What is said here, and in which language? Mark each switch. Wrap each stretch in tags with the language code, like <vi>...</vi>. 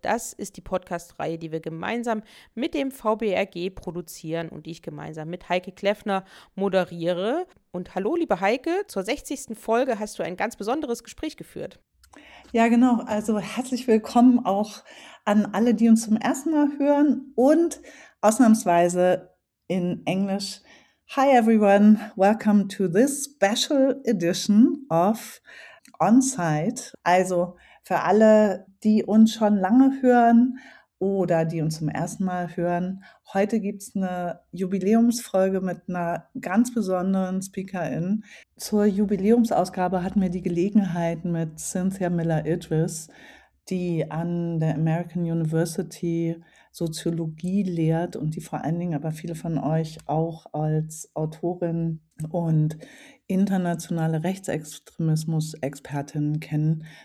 <de>Das ist die Podcast-Reihe, die wir gemeinsam mit dem VBRG produzieren und die ich gemeinsam mit Heike Kleffner moderiere. Und hallo, liebe Heike, zur 60. Folge hast du ein ganz besonderes Gespräch geführt. Ja, genau. Also herzlich willkommen auch an alle, die uns zum ersten Mal hören und ausnahmsweise in Englisch.</de> <en>Hi everyone, welcome to this special edition of Onsite.</en> <de>Also für alle, die uns schon lange hören oder die uns zum ersten Mal hören, heute gibt es eine Jubiläumsfolge mit einer ganz besonderen Speakerin. Zur Jubiläumsausgabe hatten wir die Gelegenheit, mit Cynthia Miller-Idris, die an der American University Soziologie lehrt und die vor allen Dingen aber viele von euch auch als Autorin und internationale Rechtsextremismus-Expertin kennen.</de>